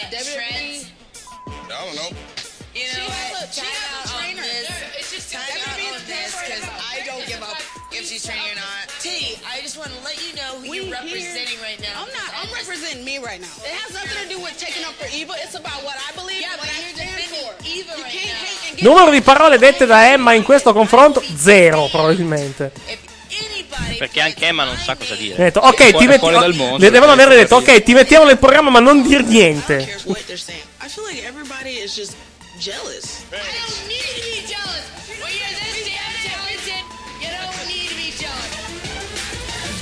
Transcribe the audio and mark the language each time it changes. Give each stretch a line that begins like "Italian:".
English: Trends? I don't know. You know she has a trainer. It's just time out on this because I don't give up if she's training or not. T, I just want to let you know who you're representing right now. I'm representing me right now. It has nothing to do with taking up for Eva. It's about what I believe. Yeah, but you're defending Eva right now.
Italian: Numero di parole dette da Emma in questo confronto? Zero, probabilmente. Perché anche Emma non sa cosa dire. Detto, ok, ti mettiamo fuori dal mondo. Le devono aver detto, ok, ti mettiamo nel programma, ma non dir niente.
English: I feel like everybody is just jealous. I don't need to be jealous. When you're this damn talented, you don't need to be jealous.